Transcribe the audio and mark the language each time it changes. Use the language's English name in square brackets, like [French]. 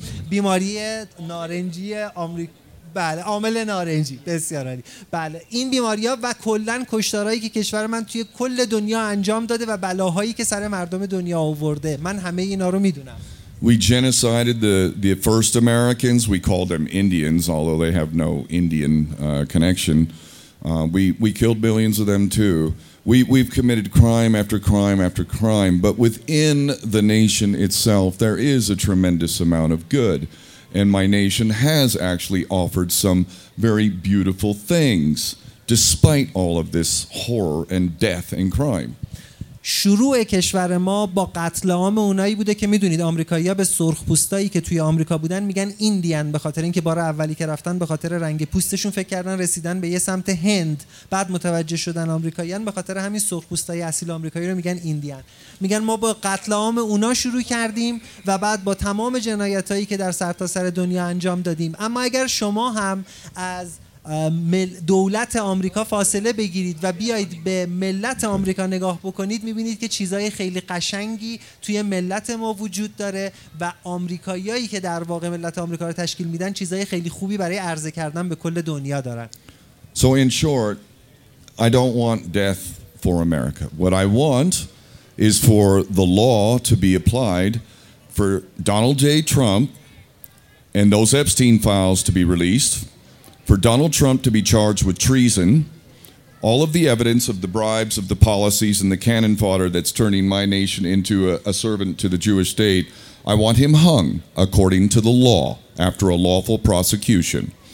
[Persian] بیماری نارنجی آمریکا، بله، عامل نارنجی، بسیار عالی، بله، این بیماری ها و کلن کشتارهایی که کشور من توی کل دنیا انجام داده و بلاهایی که سر مردم دنیا آورده، من همه اینا رو میدونم. [English] We genocided the first Americans. We called them Indians, although they have no Indian connection. We killed millions of them too. We've committed crime after crime after crime, but within the nation itself there is a tremendous amount of good. And my nation has actually offered some very beautiful things despite all of this horror and death and crime. [Persian] شروع کشور ما با قتل عام اونایی بوده که میدونید آمریکایی‌ها به سرخپوستایی که توی آمریکا بودن میگن ایندیان، به خاطر اینکه بار اولی که رفتن به خاطر رنگ پوستشون فکر کردن رسیدن به یه سمت هند، بعد متوجه شدن آمریکایی‌ان، به خاطر همین سرخپوستای اصیل آمریکایی رو میگن ایندیان. میگن ما با قتل عام اونا شروع کردیم و بعد با تمام جنایتایی که در سرتاسر دنیا انجام دادیم. اما اگر شما هم از دولت آمریکا فاصله بگیرید و بیایید به ملت آمریکا نگاه بکنید، میبینید که چیزای خیلی قشنگی توی ملت ما وجود داره و آمریکاییایی که در واقع ملت آمریکا رو تشکیل میدن چیزای خیلی خوبی برای عرضه کردن به کل دنیا دارن. [English] So in short, I don't want death for America. What I want is for the law to be applied for Donald J. Trump and those Epstein files to be released. For Donald Trump to be charged with treason, all of the evidence of the bribes, of the policies, and the cannon fodder that's turning my nation into a servant to the Jewish state, I want him hung according to the law, after a lawful prosecution.